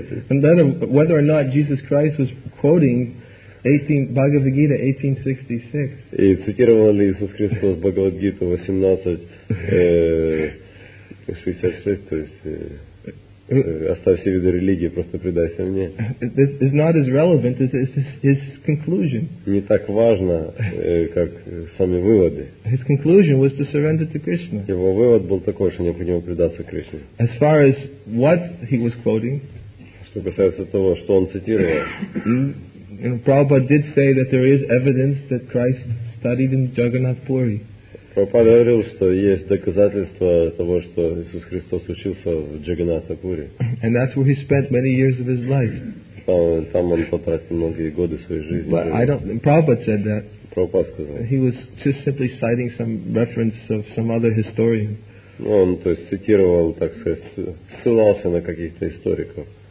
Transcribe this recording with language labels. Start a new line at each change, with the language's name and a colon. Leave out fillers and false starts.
English: And then whether or not Jesus Christ was quoting
Russian: 18, и цитировали Иисус Христос Бхагавад-гиту 18:66, то есть оставь все виды религии, просто предайся мне.
English: It's not as relevant as his conclusion.
Russian: Не так важно, как сами выводы.
English: His conclusion was to surrender to Krishna.
Russian: Его вывод был такой, что необходимо предаться Кришне.
English: As far as what he was quoting,
Russian: что касается того, что он цитировал.
English: Prabhupada did say that there is evidence that Christ studied in Jagannath Puri.
Russian: Прабхупада говорил, что есть доказательства того, что Иисус Христос учился в Джаганнатапуре.
English: And that's where he spent many years of his life.
Russian: Там он потратил многие годы своей жизни.
English: But I don't. Prabhupada said that.
Russian: Прабхупада сказал.
English: He was just simply citing some reference of some other historian.
Russian: Ну, он, то есть, цитировал, так сказать, ссылался на каких-то историков.